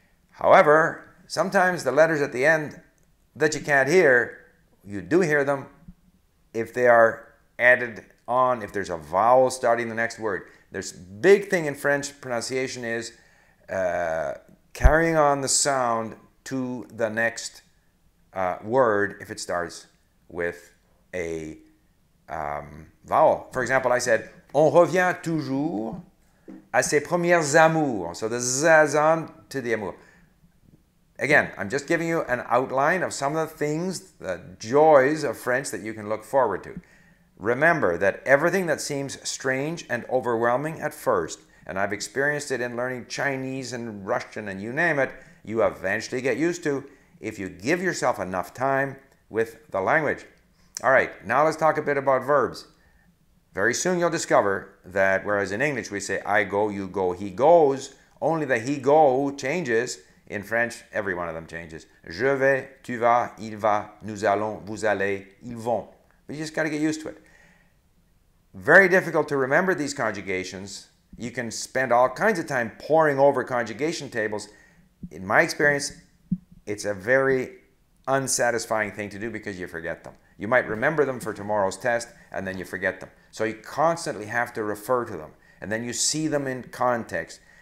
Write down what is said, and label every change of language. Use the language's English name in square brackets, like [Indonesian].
[English] However, sometimes the letters at the end that you can't hear, you do hear them if they are added on, if there's a vowel starting the next word. There's a big thing in French pronunciation is carrying on the sound to the next word if it starts with a vowel. For example, I said, [French] on revient toujours à ses premières amours. [English] So the zazan to the amour. Again, I'm just giving you an outline of some of the things, the joys of French that you can look forward to. Remember that everything that seems strange and overwhelming at first, and I've experienced it in learning Chinese and Russian and you name it, you eventually get used to if you give yourself enough time with the language. All right, now let's talk a bit about verbs. Very soon you'll discover that whereas in English we say I go, you go, he goes, only the he go changes. In French, every one of them changes. [French] Je vais, tu vas, il va, nous allons, vous allez, ils vont. [English] But you just got to get used to it. Very difficult to remember these conjugations. You can spend all kinds of time poring over conjugation tables. In my experience, it's a very unsatisfying thing to do because you forget them. You might remember them for tomorrow's test and then you forget them. So you constantly have to refer to them and then you see them in context.